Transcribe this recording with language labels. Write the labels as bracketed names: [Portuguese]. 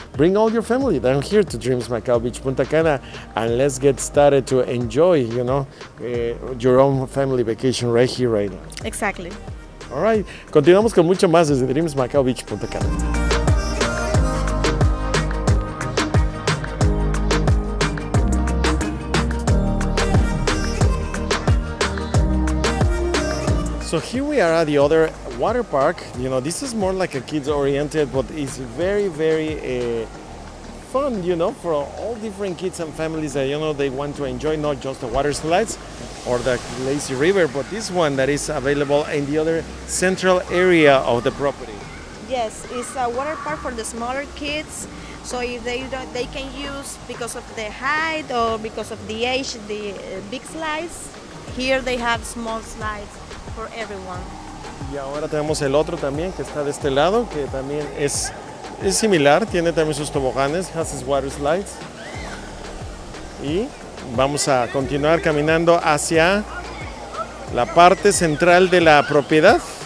[English] Bring all your family down here to Dreams Macau Beach, Punta Cana, and let's get started to enjoy, you know, your own family vacation right here, right now. Exactly. All right, [Spanish] continuamos con mucho más desde Dreams Macau Beach, Punta Cana. [English] So here we are at the other water park. You know, this is more like a kids oriented, but it's very, very fun, you know, for all different kids and families that, you know, they want to enjoy not just the water slides or the lazy river, but this one that is available in the other central area of the property. Yes, it's a water park for the smaller kids, so if they can use, because of the height or because of the age, the big slides. Here they have small slides for everyone. [Spanish] Y ahora tenemos el otro también que está de este lado, que también es similar, tiene también sus toboganes, [English] has his water slides. [Spanish] Y vamos a continuar caminando hacia la parte central de la propiedad.